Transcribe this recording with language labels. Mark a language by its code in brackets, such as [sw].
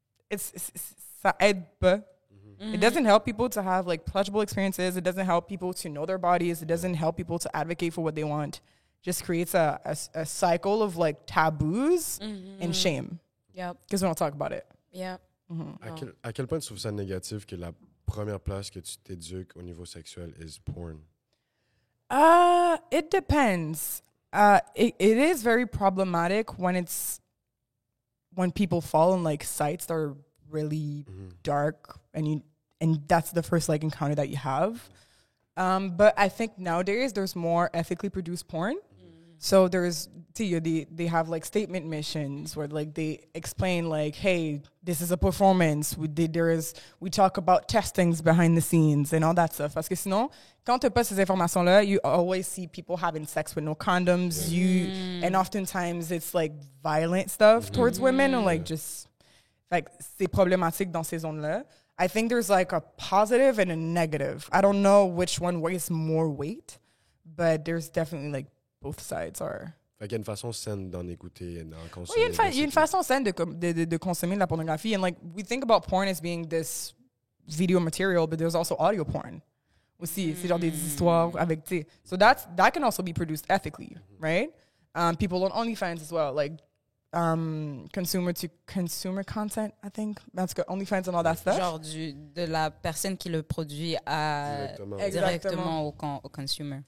[en] It's [fr] ça aide pas. [en] It doesn't help people to have like pleasurable experiences. It doesn't help people to know their bodies. It doesn't help people to advocate for what they want. Just creates a cycle of like taboos and shame. Yep. Because we don't talk about it. Yeah. [fr] À quel point tu trouves ça négatif que la première place que tu t'éduques au niveau sexuel [en] is porn? It depends. It is very problematic when people fall in like sites that are really dark, and that's the first like encounter that you have. But I think nowadays there's more ethically produced porn. So there's, see, they have like statement missions where like they explain like, hey, this is a performance. We talk about testings behind the scenes and all that stuff. [fr] Parce que sinon, quand t'as pas ces informations là, [en] you always see people having sex with no condoms. Yeah. And oftentimes it's like violent stuff towards women, or like just like [fr] c'est problématique dans ces zones là. [en] I think there's like a positive and a negative. I don't know which one weighs more weight, but there's definitely like. Both sides are. [fr] Il y a une façon saine d'en écouter et d'en consommer. Oui, il y a une façon saine de consommer de la pornographie. [en] And like, we think about porn as being this video material, but there's also audio porn. [fr] Aussi, c'est genre des histoires avec, t'sais. [en] So that can also be produced ethically, right? People on OnlyFans as well, like consumer to consumer content, I think. That's good. OnlyFans and all that stuff. [fr] Genre de la personne qui le produit à directement au consumer.